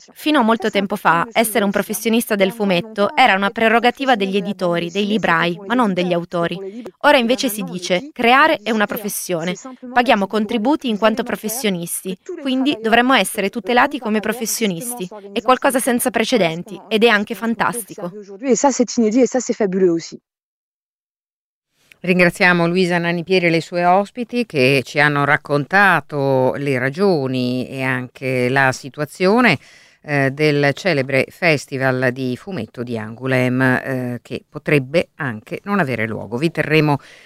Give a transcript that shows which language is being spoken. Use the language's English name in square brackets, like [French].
[Italian] Fino a molto tempo fa, essere un professionista del fumetto era una prerogativa degli editori, dei librai, ma non degli autori. Ora invece si dice, creare è una professione. Paghiamo contributi in quanto professionisti, quindi dovremmo essere tutelati come professionisti. È qualcosa senza precedenti, ed è anche fantastico. [French] E ça c'est inédit, e ça c'est fabuleux aussi. [Italian] Ringraziamo Luisa Nanipieri e le sue ospiti che ci hanno raccontato le ragioni e anche la situazione del celebre festival di fumetto di Angoulême, che potrebbe anche non avere luogo. Vi terremo